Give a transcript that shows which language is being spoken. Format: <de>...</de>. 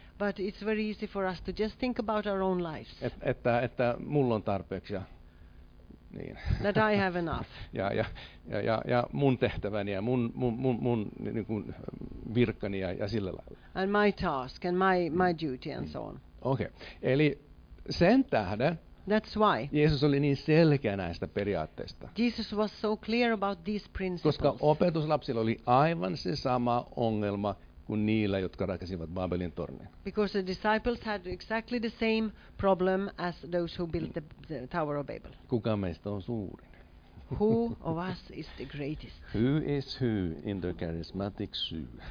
<en>But it's very easy for us to just think about our own lives.</en> <fi>Että mulla on tarpeeksi. Niin.</fi> <en>That I have enough.</en> <fi>Ja mun tehtäväni ja mun niin kuin virkkani ja sillä lailla.</fi> <en>And my task and my duty and so on.</en> <fi>Okei. Okay. Eli sen tähden.</fi> <en>That's why.</en> <fi>Jeesus oli niin selkeä näistä periaatteista.</fi> <en>Jesus was so clear about these principles.</en> <fi>Koska opetuslapsilla oli aivan se sama ongelma kuin niillä, jotka rakensivat Babelin tornin.</fi> <en>Because the disciples had exactly the same problem as those who built the Tower of Babel.</en> <fi>Kuka meistä on suurin?</fi> <en>Who of us is the greatest? Who is who in the charismatic zoo?</en>